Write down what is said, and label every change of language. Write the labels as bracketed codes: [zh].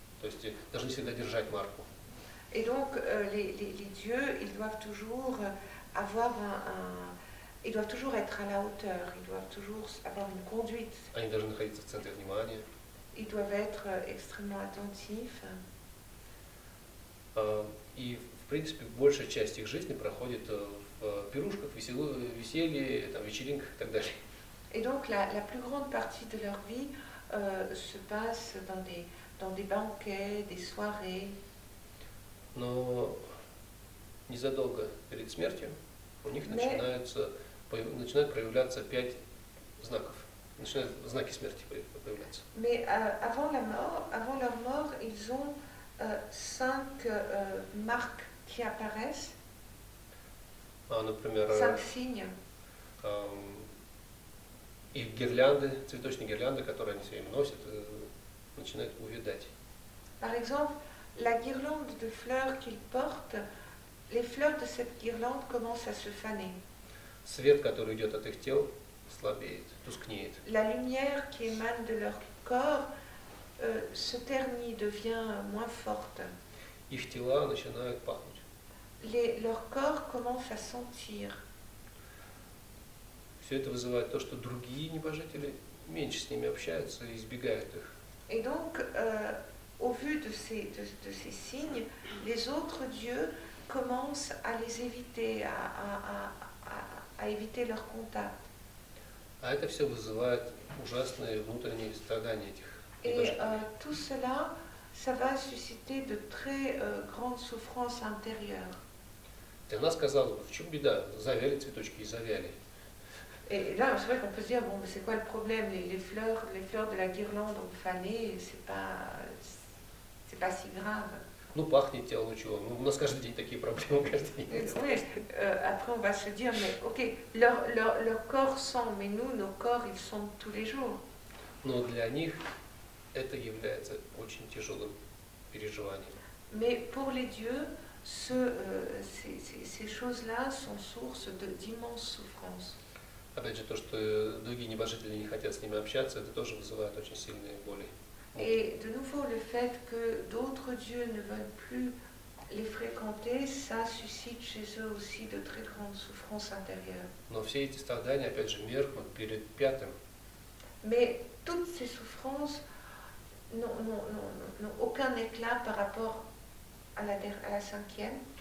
[ru] То есть должны всегда держать марку. [fr] Et donc les dieux, ils doivent toujours avoir ils doivent toujours être à la hauteur, ils doivent toujours avoir une conduite. [ru] Они должны находиться в центре внимания. [fr] Ils doivent être extrêmement attentifs. [ru] И, в принципе, большая часть их жизни проходит в пирушках, веселье, там, вечеринках и так далее. [fr] Et donc la plus grande partie de leur vie se passe dans des banquets, des soirées. [ru] Но незадолго перед смертью у них начинают проявляться пять знаков. Начинают знаки смерти появляться. [fr] Mais avant leur mort, ils ont cinq marques qui apparaissent. [ru] Например, [fr] cinq signes. [ru] И гирлянды, цветочные гирлянды, которые они себе носят, начинают увядать. [fr] Par exemple, la guirlande de fleurs qu'ils portent, les fleurs de cette guirlande commencent à se faner. [ru] Свет, который идет от их тел, слабеет, тускнеет. [fr] La lumière qui émane de leur corps se ternit, devient moins forte. [ru] Их тела начинают пахнуть. [fr] Leur corps commence à sentir. [ru] Все это вызывает то, что другие небожители меньше с ними общаются и избегают их. [fr] Et donc, au vu de ces signes, les autres dieux commencent à les éviter, à éviter leur contact. [ru] А это все вызывает ужасные внутренние страдания этих. [fr] Et tout cela, ça va susciter de très grandes souffrances intérieures. [ru] Ты нас сказала, в чем беда? Завяли цветочки и завяли. [fr] Et là, c'est vrai qu'on peut se dire, bon, mais c'est quoi le problème? Les fleurs de la guirlande ont fané, c'est pas si grave. [ru] Ну, пахнет тело, чего? Ну, у нас каждый день такие проблемы, каждый день. [fr] Après, on va se dire, mais ok, leur corps sent, mais nous, nos corps, ils sentent tous les jours. [ru] Но для них это является очень тяжелым переживанием. [fr] Mais pour les dieux, ces choses-là sont source d'immenses souffrances. [ru] Опять же, то, что другие небожители не хотят с ними общаться, это тоже вызывает очень сильные боли. [fr] Et de nouveau, le fait que d'autres dieux ne veulent plus les fréquenter, ça suscite chez eux aussi de très grandes souffrances intérieures. [ru] Но все эти страдания, опять же, меркнут перед пятым. [fr] Mais toutes ces souffrances n'ont aucun éclat par rapport à la cinquième.